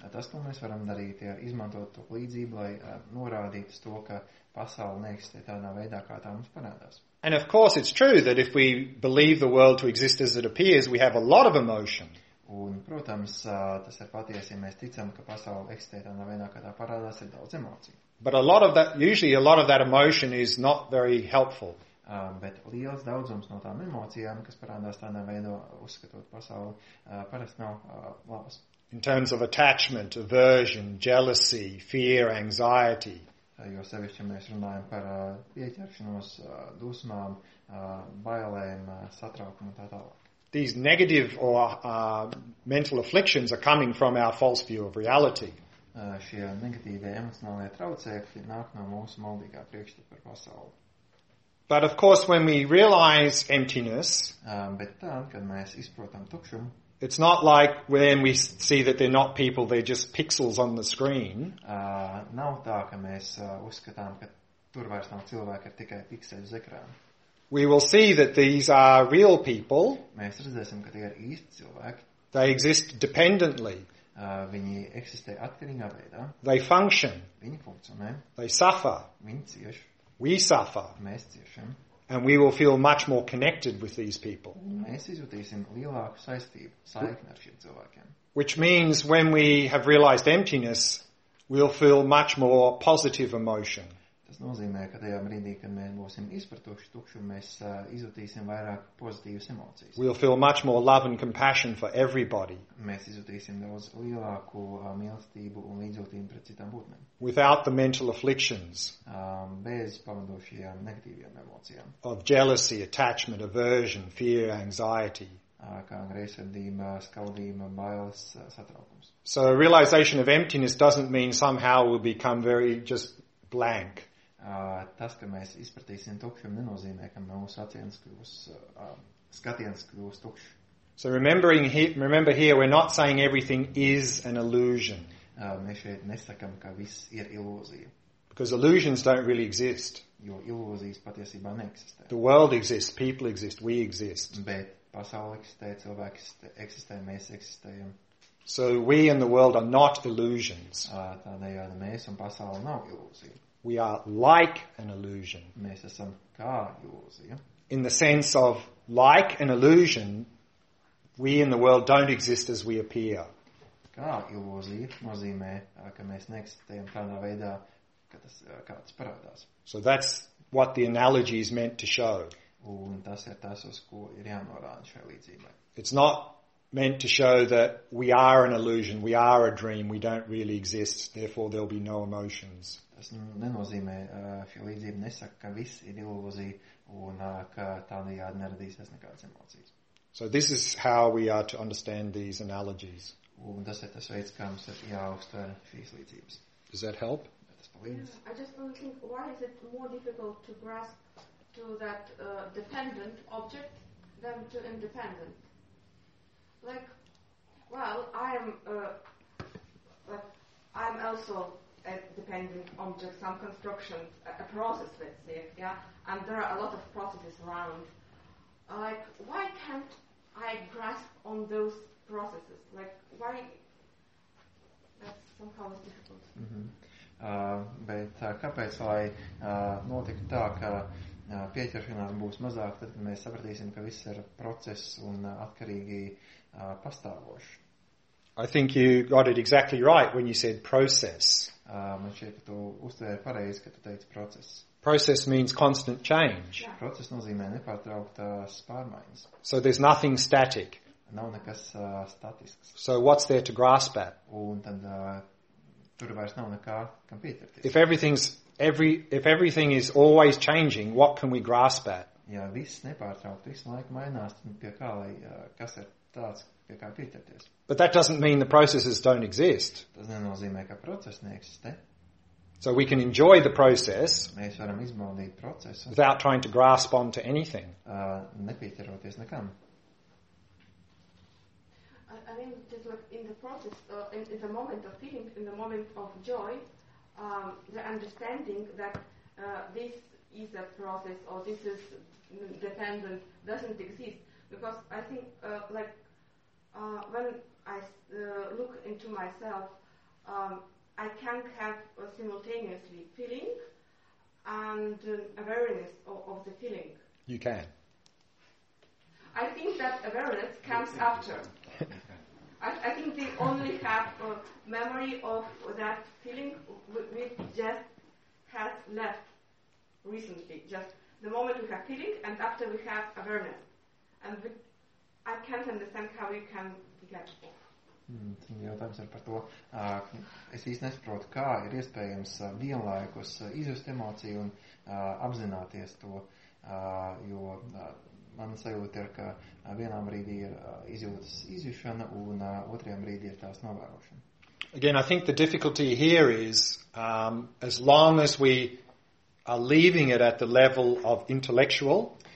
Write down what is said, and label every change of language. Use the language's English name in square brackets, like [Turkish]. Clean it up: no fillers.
[Latvian] Tas, ko mēs varam darīt, ir izmantot to līdzību, lai norādīt to, ka pasaule neeksistē tādā veidā, kā tā mums parādās. [English] And of course it's true that if we believe the world to exist as it appears, we have a lot of emotion. [Latvian] Un, protams, tas ir patiesi, ja mēs ticam, ka pasaule eksistē tādā veidā, kā tā parādās, ir daudz emociju. [English] But usually a lot of that emotion is not very helpful. [Latvian] Bet liels daudzums no tām emocijām, kas parādās tādā veidā, uzskatot pasauli, parasti nav labas. [English] In terms of attachment, aversion, jealousy, fear, anxiety. [Latvian] Jo sevišķi, ja mēs runājam par pieķeršanos, dusmām, bailēm, satraukumu un tā tālāk. [English] These negative or mental afflictions are coming from our false view of reality. [Latvian] Šie negatīvie emocionālie traucēkļi nāk no mūsu maldīgā priekšstata par pasauli. [English] But of course when we realize emptiness, [Latvian] bet tad, kad mēs izprotam tukšumu, [English] it's not like when we see that they're not people, they're just pixels on the screen. [Latvian] Nav tā, ka mēs uzskatām, ka tur vairs nav cilvēki, ir tikai pikseļi uz ekrāna. [English] We will see that these are real people. [Latvian] Mēs redzēsim, ka tie ir īsti cilvēki. [English] They exist dependently. [Latvian] Viņi eksistē atkarīgā veidā. [English] They function. [Latvian] Viņi funkcionē. [English] They suffer. [Latvian] Viņi cieš. [English] We suffer. [Latvian] Mēs ciešam. [English] And we will feel much more connected with these people. [Latvian] Mēs izjūtīsim lielāku saistību, saikni ar šiem cilvēkiem. [English] Which means when we have realized emptiness, we'll feel much more positive emotion. [Latvian] Tas nozīmē, ka tajā brīdī, kad mēs būsim izpratuši tukšumu, mēs izjūtīsim vairāk pozitīvas emocijas. [English] We'll feel much more love and compassion for everybody. [Latvian] Mēs izjūtīsim daudz lielāku mīlestību un līdzjūtību pret citām būtnēm. [English] Without the mental afflictions. [Latvian] Bez pamatošajām negatīvajām emocijām. [English] Of jealousy, attachment, aversion, fear, anxiety. [Latvian] Kā greizsirdība, skaudība, bailes, satraukums. [English] So a realization of emptiness doesn't mean somehow we'll become very just blank. [Latvian] Tas, ka mēs izpratīsim tukšumu, nenozīmē, ka mūsu acis kļūs skatiens kļūst tukšs. [English] So remembering here, remember here, we're not saying everything is an illusion. [Latvian] Mēs šeit nesakam, ka viss ir ilūzija. [English] Because illusions don't really exist. [Latvian] Jo ilūzijas patiesībā neeksistē. [English] The world exists, people exist, we exist. [Latvian] Bet pasaule eksistē, cilvēki eksistē, mēs eksistējam. [English] So we and the world are not illusions. [Latvian] Tādējādi mēs un pasaule nav ilūzija. [English] We are like an illusion. [Latvian] Mēs esam kā ilūzija. [English] In the sense of like an illusion, we in the world don't exist as we appear. [Latvian] Kā ilūzija nozīmē, ka mēs neeksistējam tādā veidā, ka tas kāds parādās. [English] So that's what the analogy is meant to show. [Latvian] Un tas ir tas, uz ko ir jānorāda šajā līdzībā. [English] It's not meant to show that we are an illusion, we are a dream, we don't really exist, therefore there'll be no emotions. [Latvian] Tas nenozīmē, šī līdzība nesaka, ka viss ir ilūzija un ka tādējādi neradīsies nekādas emocijas. [English] So this is how we are to understand these analogies. [Latvian] Un tas ir tas veids, kā mums ir jāuztver šīs līdzības. [English] Does that help? I just want to think, why is it more difficult to grasp to that dependent object than to independent? Like, well, I'm also a dependent object, some construction, a process, let's say, yeah? And there are a lot of processes around. Like, why can't I grasp on those processes? Like, why? That's somehow difficult. Mm-hmm. [Latvian] Bet kāpēc, lai notiktu tā, ka pieķeršanās būs mazāk, tad mēs sapratīsim, ka viss ir process un atkarīgi pastāvošs. [English] I think you got it exactly right when you said process. [Latvian] Man šķiet, ka tu uztvēri pareizi, ka tu teici process. [English] Process means constant change. Yeah. [Latvian] Process nozīmē nepārtrauktās pārmaiņas. [English] So there's nothing static. [Latvian] Nav nekas statisks. [English] So what's there to grasp at? [Latvian] Un tad, tur vairs nav nekā, kam pieķerties. [English] If everything is always changing, what can we grasp at? [Latvian] Ja viss nepārtraukti, visu laiku mainās, pie kā lai, kas ir tāds, pie kā pieķerties. [English] But that doesn't mean the processes don't exist. [Latvian] Tas nenozīmē, ka procesi neeksistē. [English] So we can enjoy the process. [Latvian] Mēs varam izbaudīt procesu. [English] Without trying to grasp onto anything. [Latvian] Nepieķeroties nekam. [English] I mean, just like in the process, in the moment of feeling, in the moment of joy, the understanding that this is a process or this is dependent doesn't exist. Because I think, when I look into myself, I can't have simultaneously feeling and awareness of the feeling. You can. I think that awareness comes after. I think they only have a memory of that feeling which just has left recently. Just the moment we have feeling and after we have awareness. And I can't understand how we can get off. [Latvian] Jautājums ir par to, es īsti nesaprotu, kā ir iespējams vienlaikus izjust emociju un apzināties to, jo man sajūta ir, ka vienā brīdī ir izjūtas izjušana un otrajā brīdī ir tās novērošana. [English] Again, I think the difficulty here is, as long as we are leaving it at the level of intellectual.